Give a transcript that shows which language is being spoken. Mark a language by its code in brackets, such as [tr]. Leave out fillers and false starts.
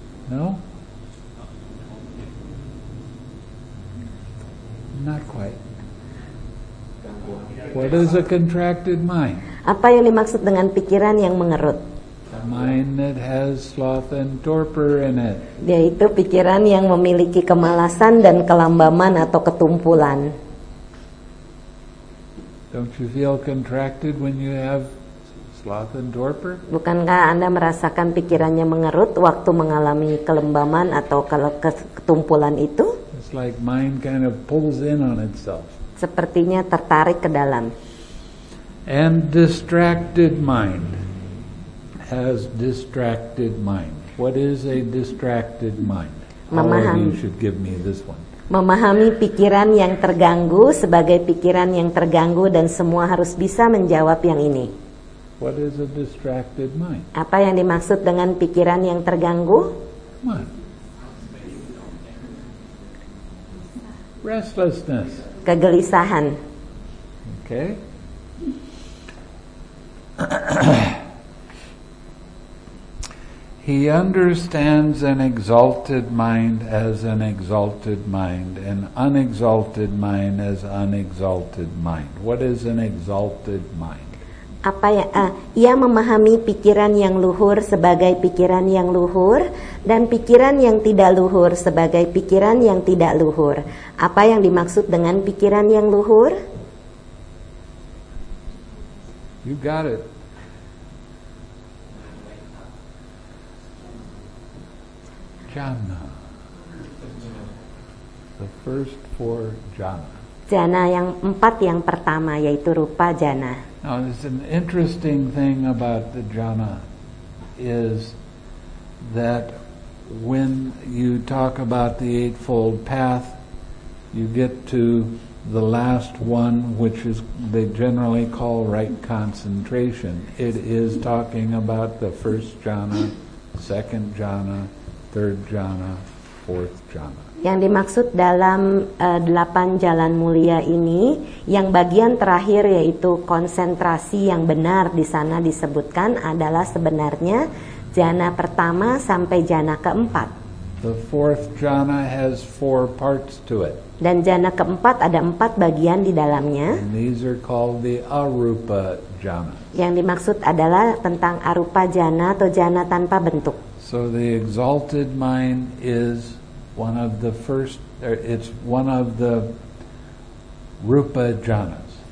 [en] No? Not quite. What is a contracted mind? [id] Apa yang dimaksud dengan pikiran yang mengerut? [en] A mind that has sloth and torpor in it. [id] Yaitu pikiran yang memiliki kemalasan dan kelambaman atau ketumpulan. [en] Don't you feel contracted when you have sloth and torpor? [id] Bukankah Anda merasakan pikirannya mengerut waktu mengalami kelembaman atau ketumpulan itu? [en] It's like mind kind of pulls in on itself. [id] Sepertinya tertarik ke dalam. [en] And distracted mind has distracted mind. What is a distracted mind? [id] Memahami. [en] You should give me this one. [id] Memahami pikiran yang terganggu sebagai pikiran yang terganggu dan semua harus bisa menjawab yang ini. [en] What is a distracted mind? [id] Apa yang dimaksud dengan pikiran yang terganggu? [en] Come on. Restlessness. [id] Kegelisahan. [en] Okay. He understands an exalted mind as an exalted mind, an unexalted mind as unexalted mind. What is an exalted mind? [id] Apa ya? Ia memahami pikiran yang luhur sebagai pikiran yang luhur dan pikiran yang tidak luhur sebagai pikiran yang tidak luhur. Apa yang dimaksud dengan pikiran yang luhur? [en] You got it. Jhana. The first four jhana. [id] Jhana yang empat yang pertama yaitu rupa jhana. [en] Now, it's an interesting thing about the jhana is that when you talk about the Eightfold Path, you get to the last one, which is they generally call right concentration. It is talking about the first jhana, second jhana, third jhana, fourth jhana. [id] Yang dimaksud dalam 8 jalan mulia ini, yang bagian terakhir yaitu konsentrasi yang benar di sana disebutkan adalah sebenarnya jhana pertama sampai jhana keempat. [en] The fourth jhana has four parts to it. [id] Dan jhana keempat ada 4 bagian di dalamnya. [en] And these are called the arupa jhana. [id] Yang dimaksud adalah tentang arupa jhana atau jhana tanpa bentuk. [en] So the exalted mind is one of the first, it's one of the rupa jhanas.